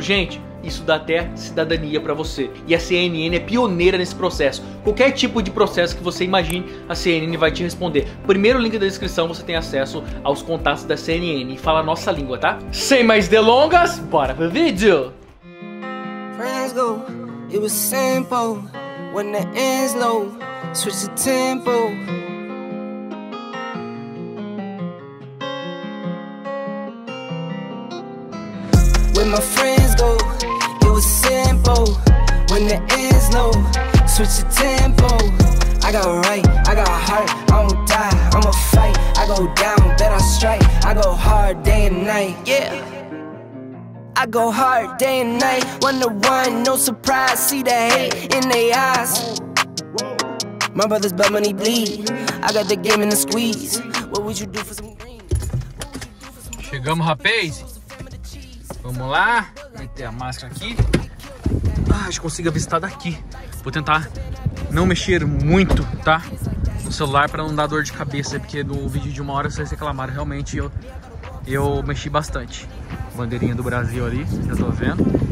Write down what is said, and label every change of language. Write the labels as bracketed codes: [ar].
[pt] Gente, isso dá até cidadania pra você. E a CNN é pioneira nesse processo. Qualquer tipo de processo que você imagine, a CNN vai te responder. Primeiro link da descrição, você tem acesso aos contatos da CNN. E fala a nossa língua, tá? Sem mais delongas, bora pro vídeo! [en] Friends go, it was simple. When the end's low, switch the tempo. When my friends go, it was simple. When the end's low, switch the tempo. I got right, I got heart, I won't die, I'ma fight. I go down, bet I strike, I go hard day and night. Yeah, I go hard day and night. 1-1, no surprise, see the hate in their eyes. My brother's blood money bleed, I got the game in the squeeze. What would you do for some green? [pt] Chegamos, rapaz. Vamos lá, meter a máscara aqui. Ah, acho que consigo avistar daqui. Vou tentar não mexer muito, tá? No celular pra não dar dor de cabeça, porque no vídeo de uma hora vocês reclamaram. Realmente eu mexi bastante. Bandeirinha do Brasil ali, já tô vendo.